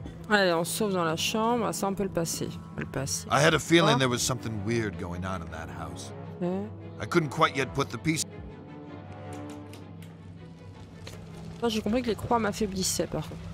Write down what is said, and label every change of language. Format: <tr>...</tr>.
<fr>Allez, on sauve dans la chambre, ça on peut le passer.</fr> <en>I had a feeling there was something weird going on in that house. I couldn't quite yet put the piece.</en> <fr>J'ai compris que les croix m'affaiblissaient par contre.</fr>